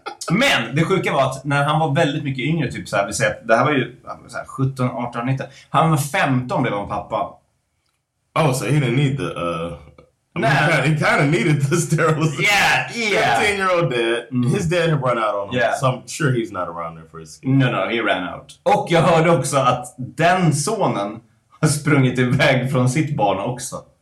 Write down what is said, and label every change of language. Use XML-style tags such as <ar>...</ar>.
<sv>Men det sjuka var att när han var väldigt mycket yngre, typ så här, vi säger att det här var ju så här, 17, 18, 19. Han var 15 blev han pappa.</sv> <en>Oh, so he didn't need the... he kind of needed the sterilization. Yeah, yeah. 15-year-old dad. Mm. His dad had run out on him. Yeah. So I'm sure he's not around there for his kid. No, he ran out.</en> <sv>Och jag hörde också att den sonen har sprungit iväg från sitt barn också.</sv>